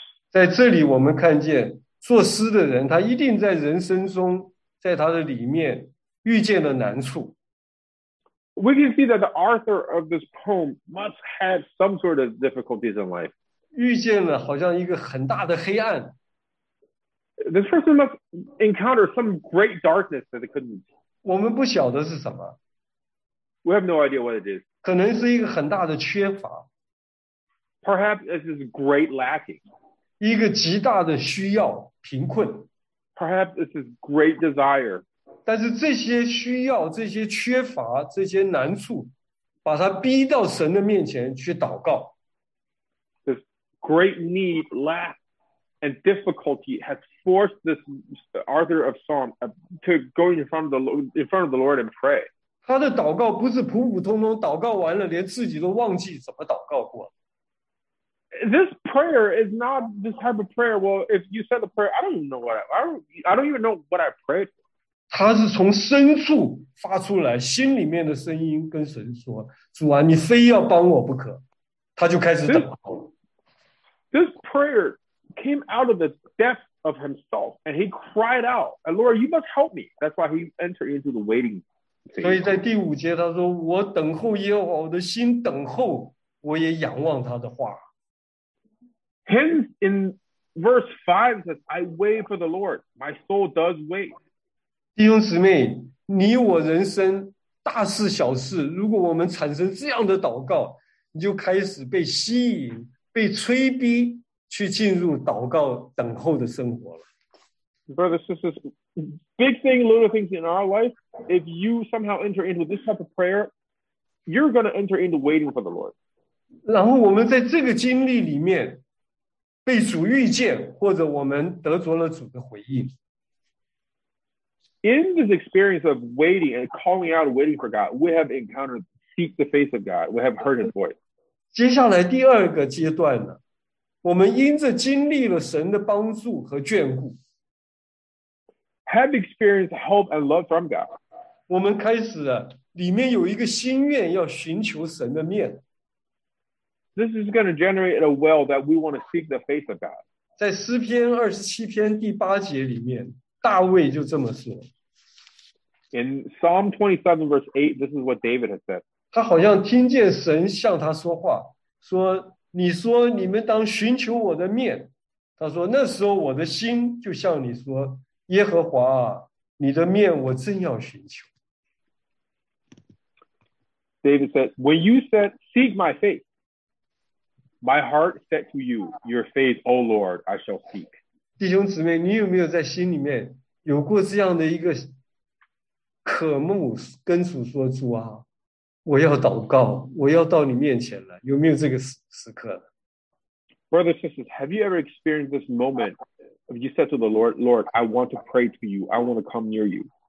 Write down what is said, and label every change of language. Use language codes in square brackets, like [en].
[zh] 在这里我们看见，作诗的人，他一定在人生中在他的里面遇见了难处。 [en] We can see that the author of this poem must have some sort of difficulties in life. [zh] 遇见了好像一个很大的黑暗。 [en] This person must encounter some great darkness that they couldn't see. [zh] 我们不晓得是什么。 [en] We have no idea what it is. [zh] 可能是一个很大的缺乏。 [en] Perhaps it is a great lacking. [zh] 一个极大的需要，贫困。 [en] Perhaps this is great desire. [zh] 但是这些需要，这些缺乏，这些难处，把他逼到神的面前去祷告。 [en] This great need, lack, and difficulty has forced this author of Psalm to go in front of the Lord and pray. [zh] 他的祷告不是普普通通祷告完了，连自己都忘记怎么祷告过。 [en] This prayer is not this type of prayer. Well, if you said the prayer, I don't even know what I prayed. [zh] 他是从深处发出来，心里面的声音跟神说：“主啊，你非要帮我不可。” 他就开始祷告。 [en] This prayer came out of the depth of himself, and he cried out, "Lord, you must help me." That's why he entered into the waiting. [zh] 所以在第五节他说：“我等候耶和华，我的心等候，我也仰望他的话。” [en] Hence, in verse 5 says, I wait for the Lord. My soul does wait. [zh] 弟兄姊妹，你我人生大事小事，如果我们产生这样的祷告，你就开始被吸引，被催逼去进入祷告等候的生活了。 [en] Brothers, sisters, big thing, little things in our life, if you somehow enter into this type of prayer, you're going to enter into waiting for the Lord. [zh] 然后我们在这个经历里面被主遇见，或者我们得着了主的回应。 [en] In this experience of waiting and calling out, waiting for God, we have encountered, seek the face of God. We have heard His voice. [zh] 接下来第二个阶段呢，我们因着经历了神的帮助和眷顾， [en] have experienced hope and love from God， [zh] 我们开始里面有一个心愿要寻求神的面。 [en] This is going to generate a well that we want to seek the face of God. [zh] 在诗篇二十七篇第八节里面，大卫就这么说。 [en] In Psalm 27 verse 8, this is what David has said. [zh] 他好像听见神向他说话，说你说你们当寻求我的面。他说那时候我的心就向你说，耶和华啊，你的面我真要寻求。 [en] David said, when you said, seek my face, my heart said to you, your face, O Lord, I shall seek. [zh] 弟兄姊妹，你有没有在心里面有过这样的一个渴慕，跟主说，主啊，我要祷告，我要到你面前来，有没有这个时刻？ [en] Brothers and sisters, have you ever experienced this moment of you said to the Lord, Lord, I want to pray to you, I want to come near you?